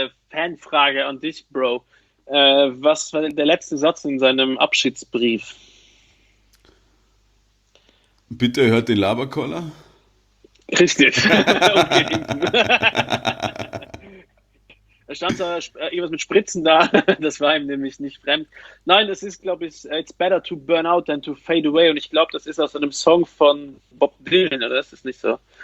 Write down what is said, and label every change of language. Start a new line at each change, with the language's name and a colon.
German: Fanfrage an dich, Bro. Was war der letzte Satz in seinem Abschiedsbrief? Bitte hört den Laberkoller. Richtig. Und gehen. Da stand zwar irgendwas mit Spritzen da, das war ihm nämlich nicht fremd. Nein, das ist, glaube ich,
English: it's better to burn out than to fade away.
German: Und ich glaube, das ist aus einem Song von Bob Dylan, oder ist das nicht so?